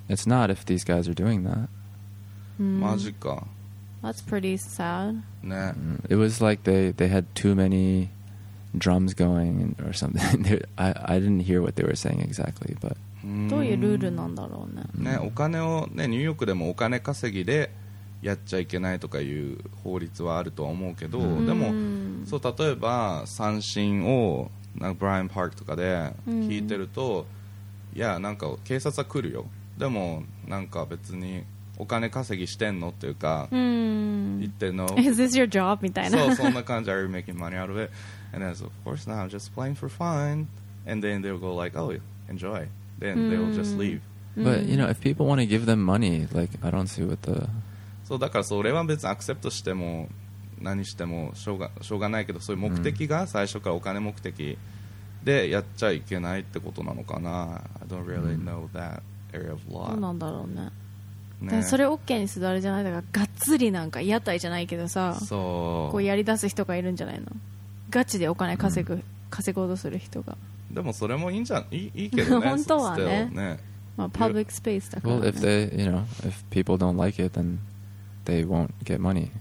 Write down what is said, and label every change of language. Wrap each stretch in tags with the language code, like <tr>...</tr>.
<en>It's not if these guys are doing that. Magica. That's pretty sad. Nah. It was like they had too many drums going or something. I didn't hear what they were saying exactly, but.</en> <ja>どういうルールなんだろうね。ね、お金をね、ニューヨークでもお金稼ぎで。やっちゃいけないとかいう法律はあるとは思うけど、でもそう例えば三振をなんかブライアン・パークとかで弾いてると、いやなんか警察は来るよ、でもなんか別にお金稼ぎしてんのっていうか、言ってんの</ja> <en>Is this your job? みたいな、</en> <ja>そうそんな感じ</ja> <en>Are you making money out of it? And I was of course not, I'm just playing for fun. And then they'll go like Oh, enjoy. Then they'll just leave. But you know, if people want to give them money, like I don't see what the</en> <ja>そうだからそれは別にアクセプトしても何してもしょうがないけど、そういう目的が最初からお金目的でやっちゃいけないってことなのかな。</ja> <en>I don't really know that area of law。</en> <ja>どうなんだろうね。ね、それ OK にするあれじゃない、だからがっつりなんか屋台じゃないけどさ、そうこうやり出す人がいるんじゃないの、ガチでお金稼ぐ、稼ごうとする人が。でもそれもいいんじゃ、いいけどね本当はね、ね、まあ、パブリックスペースだからね。</ja> <en>Well, if they, you know, if people don't like it, thenthey won't get money.</en>